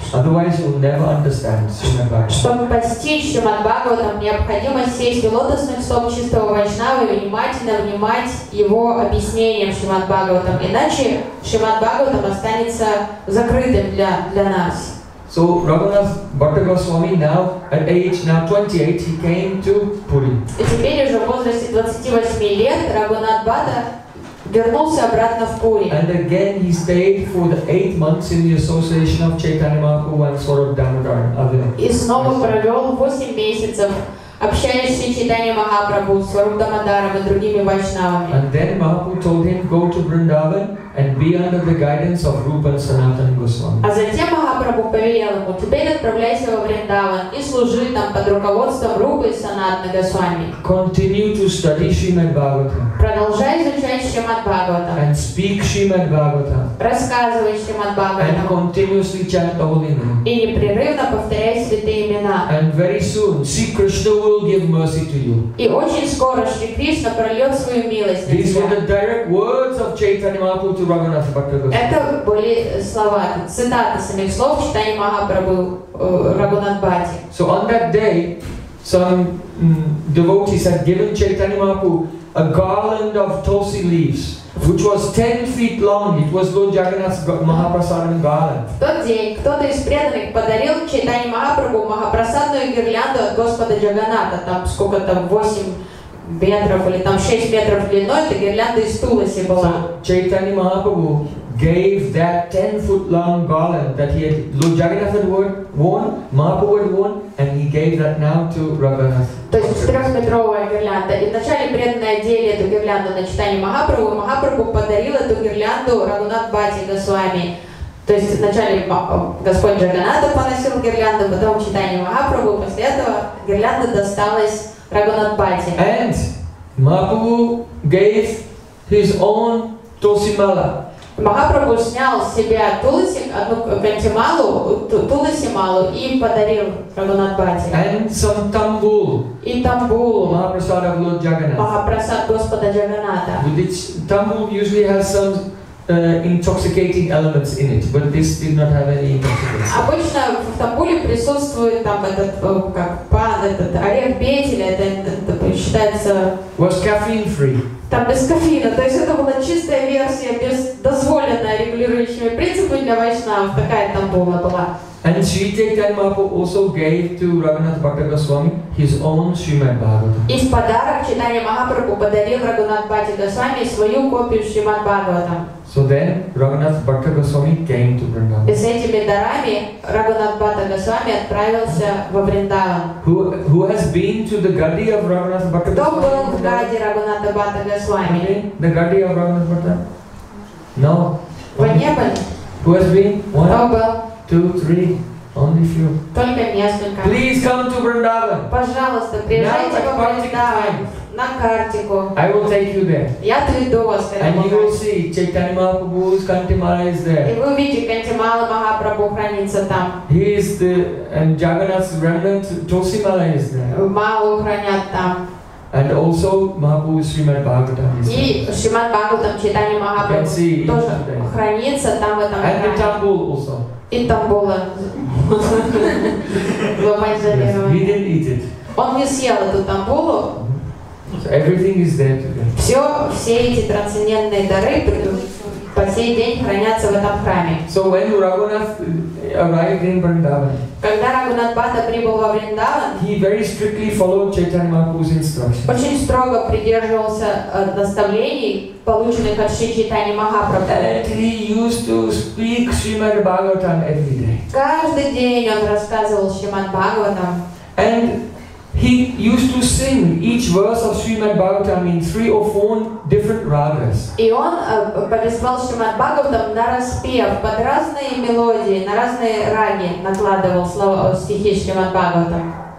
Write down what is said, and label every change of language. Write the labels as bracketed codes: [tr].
[en] Otherwise, you'll never understand Srimad Bhagavatam. [ru] Чтобы постичь Шримад Бхагаватам, необходимо сесть в лотосных стоп чистого Вайшнавы и внимательно внимать его объяснениям Шримад Бхагаватам. Иначе Шримад Бхагаватам останется закрытым для нас. [en] So Raghunath Bhatta Goswami now at age now 28 he came to Puri. [ru] И теперь уже в возрасте 28 лет Раганат Бхатта вернулся обратно в Пури. [en] And again he stayed for the 8 months in the association of Chaitanya Mahaprabhu and Swarup Damodar. [ru] И снова провел 8 месяцев, общаясь с Чайтаньей Махапрабху, Сварупом Дамодаром и другими вайшнавами. [en] And then Mahaprabhu told him, go to Vrindavan and be under the guidance of Rupa and Sanatana Goswami. [ru] А затем Махапрабху повелел ему, теперь отправляйся во Вриндаван и служи там под руководством Рупы и Санатаны Госвами. [en] Continue to study Srimad Bhagavatam. [ru] Продолжай изучать Шримад Бхагаватам. [en] And speak Srimad Bhagavatam. [ru] Рассказывай Шримад Бхагаватам. [en] And continuously chant the holy name. [ru] И непрерывно повторяй святые имена. [en] And very soon, see Krishna will give mercy to you. [ru] И очень скоро Шри Кришна прольет свою милость на тебя. [en] These were the direct words of Chaitanya Mahaprabhu. [ru] Это были слова, цитаты самих слов Чайтаньи Махапрабху Раганат Бхатте. [en] So on that day, some devotees had given Chaitanya Mahaprabhu a garland of tulsi leaves, which was 10 feet long. It was Lord Jagannath's Mahaprasadam garland. [ru] В тот день кто-то из преданных подарил Чайтанье Махапрабху Махапрасадную гирлянду от Господа Джаганната, там сколько там 8 метров или там 6 метров длиной, это гирлянда из туласи была. [en] So, Chaitanya Mahaprabhu gave that 10-foot-long garland that he had, Lord Jagannath had worn, Mahaprabhu had worn, and he gave that now to Raghunath. [ru] То есть 4-метровая гирлянда. И вначале преданные одели эту гирлянду на Чайтанье Махапрабху, Махапрабху подарил эту гирлянду Раганат Бхатте Госвами. То есть вначале Господь Джаганнатху поносил гирлянду, потом Чайтанье Махапрабху, после этого гирлянда досталась Раганат Бхатте. [en] And Mahaprabhu gave his own tulsimala. [ru] Махапрабху снял с себя туласи, одну кантималу, туласималу и подарил Раганат Бхатте. [en] And some tambul. [ru] И тамбул. [en] Махапрасад of Lord Jagannath. [ru] Махапрасад Господа Джаганната. [en] Which tambul usually has some intoxicating elements in it, but this did not have any intoxicants. [ru] Обычно в тамбуле присутствует там этот как пан, этот орех бетеля, это считается. [en] Was caffeine free. [ru] Там без кофеина, то есть это была чистая версия, без дозволенная регулирующими принципами для вайшнав, такая тамбула была. [en] And Sri Chaitanya Mahaprabhu also gave to Raghunath Bhatta Goswami his own Srimad Bhagavatam. [ru] Из подарок Чайтанья Махапрабху подарил Раганат Бхатте Госвами свою копию Шримад Бхагаватам. [en] So then Raghunath Bhatta Goswami came to Vrindavan. [ru] И с этими дарами Раганат Бхатта Госвами отправился во Вриндаван. [en] Who has been to the Гади of Раганат Бхатта Госвами? [ru] Кто был в Гади Раганата Бхатта Госвами? [en] Okay. The Гади of Раганат Бхатта? No. [ru] Вы не были? [en] Who has been? [ru] Кто был? [en] 2, 3, only few. [ru] Только несколько. [en] Please come to Vrindavan. [ru] Пожалуйста, приезжайте во Вриндаван. На Картику. [en] I will take you there. [ru] Я приведу вас. [en] And you will see Chaitanya Mahaprabhu's Kantimala is there. [ru] И вы увидите, Кантимала Махапрабху хранится там. [en] He is the and Jagannath's remnant, Tosimala is there. [ru] Малу хранят там. [en] And also Mahaprabhu's Srimad Bhagavatam is there. [ru] И Srimad Bhagavatam Chaitanya Mahaprabhu тоже хранится там в этом. [en] And the Tambul also. [ru] И там было. [en] He didn't eat it. [ru] Он не съел эту тамбулу. [en] So everything is there today. [ru] Все эти трансцендентные дары по сей день хранятся в этом храме. [en] So when Raghunath arrived in Vrindavan, [ru] когда Раганат Бхатта прибыл во Вриндаван, [en] he very strictly followed Chaitanya Mahaprabhu's instructions. [ru] Очень строго придерживался наставлений, полученных от Шри Чайтаньи Махапрабху. [en] And he used to speak Srimad Bhagavatam every day. [ru] Каждый день он рассказывал Шримад Бхагаватам. [en] And used to sing each verse of Srimad Bhagavatam in 3 or 4 different ragas. [ru] И он переспел Шримад Бхагаватам на распев под разные мелодии, на разные раги накладывал слова стихи Шримад Бхагаватам.